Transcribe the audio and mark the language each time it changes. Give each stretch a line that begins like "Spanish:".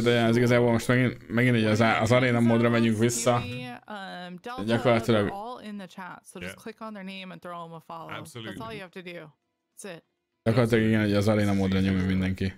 Hungarian: Tehát ez igazából most megint egy az arena módra megyünk vissza.
English: Gyakorlatilag all in the chat, so just click on their name and throw them a follow. Absolutely. That's all you have to do. That's it.
Hungarian: Gyakorlatilag igen, hogy az arena módra nyomjon mindenki.